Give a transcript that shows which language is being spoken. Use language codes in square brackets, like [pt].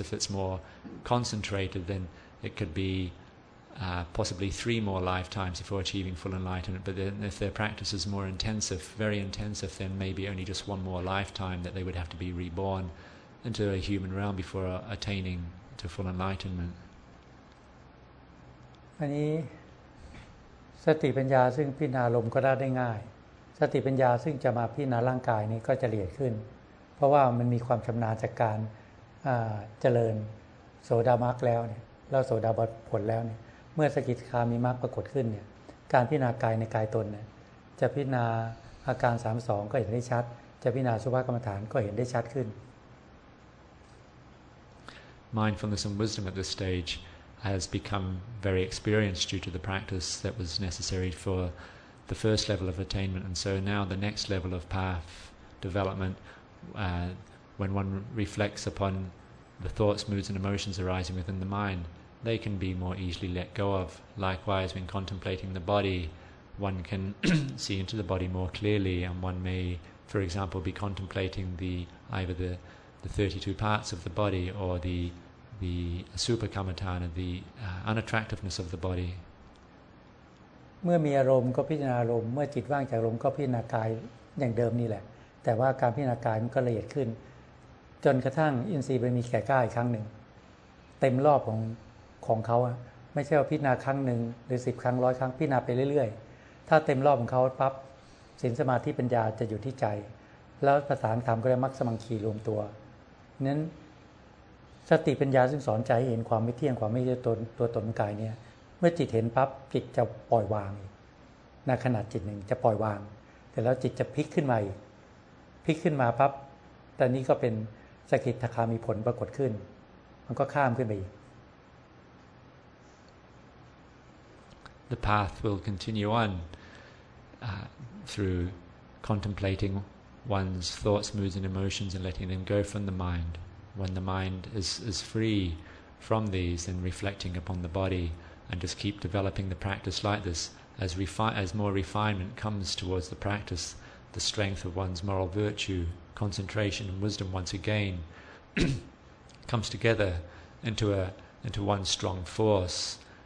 [en] If it's more concentrated, then it could be... possibly 3 more lifetimes before achieving full enlightenment, but then if their practice is more intensive, very intensive, then maybe only just 1 more lifetime that they would have to be reborn into a human realm before attaining to full enlightenment. [th] อันนี้สติปัญญาซึ่งพิจารณาลมก็ได้ง่ายสติปัญญาซึ่งจะมาพิจารณาร่างกายนี้ก็จะละเอียดขึ้นเพราะว่ามันมีความชำนาญจากการเจริญโสดามรรคแล้วเนี่ยเราโสดาบันผลแล้วเนี่ยเมื่อสกิทาคามีมรรคปรากฏขึ้นเนี่ยการพิจารณากายในกายตนเนี่ยจะพิจารณาอาการ32ก็เห็นได้ชัดจะพิจารณาสุภกรรมฐานก็เห็นได้ชัดขึ้น [en] Mindfulness and wisdom at this stage has become very experienced due to the practice that was necessary for the first level of attainment and so now the next level of path development when one reflects upon the thoughts moods and emotions arising within the mindthey can be more easily let go of. Likewise, when contemplating the body, one can see into the body more clearly, and one may, for example, be contemplating either the 32 parts of the body or the super kamatana, the unattractiveness of the body. [th] เมื่อมีอารมณ์ก็พิจารณาอารมณ์เมื่อจิตว่างจากอารมณ์ก็พิจารณากายอย่างเดิมนี่แหละแต่ว่าการพิจารณากายมันก็ละเอียดขึ้น จนกระทั่งอินทรีย์บารมีแก่กล้าอีกครั้งหนึ่งเต็มรอบของเขาอะไม่ใช่ว่าพิจารณาครั้งหนึ่งหรือสิบครั้งร้อยครั้งพิจารณาไปเรื่อยๆถ้าเต็มรอบของเขาปั๊บศีลสมาธิปัญญาจะอยู่ที่ใจแล้วภาษาธรรมก็เรียกมรรคสมังคีรวมตัวนั้น สติปัญญาซึ่งสอนใจเห็นความไม่เที่ยงความไม่ใช่ตัวตนกายเนี่ยเมื่อจิตเห็นปั๊บจิตจะปล่อยวางในขณะจิตหนึ่งจะปล่อยวางแต่แล้วจิตจะพลิกขึ้นมาอีกพลิกขึ้นมาปั๊บแต่นี้ก็เป็นสกิทาคามีผลปรากฏขึ้นมันก็ข้ามขึ้นไปอีก [en] The path will continue on through contemplating one's thoughts, moods and emotions and letting them go from the mind. When the mind is free from these and reflecting upon the body and just keep developing the practice like this, as more refinement comes towards the practice, the strength of one's moral virtue, concentration and wisdom once again comes together into one strong force.